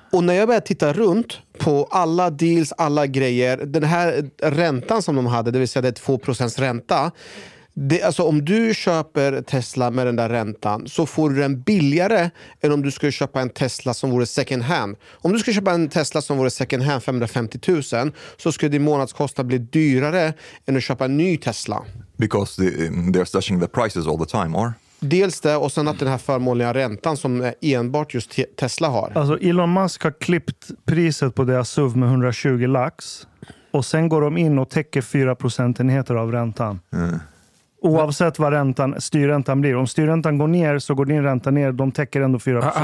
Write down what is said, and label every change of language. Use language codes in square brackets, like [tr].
[sv] Och när jag började titta runt på alla deals, alla grejer, den här räntan som de hade, det vill säga det är 2% ränta, alltså om du köper Tesla med den där räntan så får du den billigare än om du skulle köpa en Tesla som vore second hand. Om du skulle köpa en Tesla som vore second hand 550 000 så skulle din månadskostnad bli dyrare än att köpa en ny Tesla. [en] Because they're slashing the prices all the time, or? [sv] Dels det, och sen att den här förmånliga räntan som enbart just Tesla har. Alltså Elon Musk har klippt priset på deras SUV med 120 lax. Och sen går de in och täcker 4 procentenheter av räntan. Mm. Oavsett vad styrräntan blir. Om styrräntan går ner så går din ränta ner. De täcker ändå 4 procent.